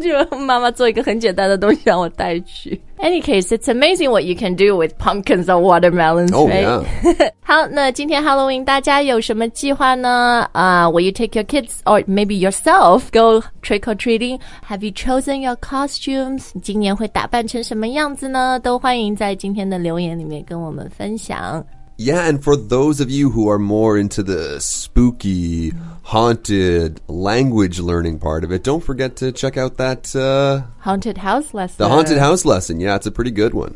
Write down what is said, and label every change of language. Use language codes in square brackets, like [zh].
[zh] 就妈妈做一个很简单的东西让我带去。 [en] Any case, it's amazing what you can do with pumpkins or watermelons, right? Oh, yeah. [zh] 好，那今天 Halloween 大家有什么计划呢？ [en] Will you take your kids or maybe yourself go trick-or-treating? Have you chosen your costumes? [zh] 今年会打扮成什么样子呢？都欢迎在今天的留言里面跟我们分享。 [en] Yeah, and for those of you who are more into the spooky, haunted language learning part of it, don't forget to check out that, Haunted House Lesson. The Haunted House Lesson, yeah, it's a pretty good one.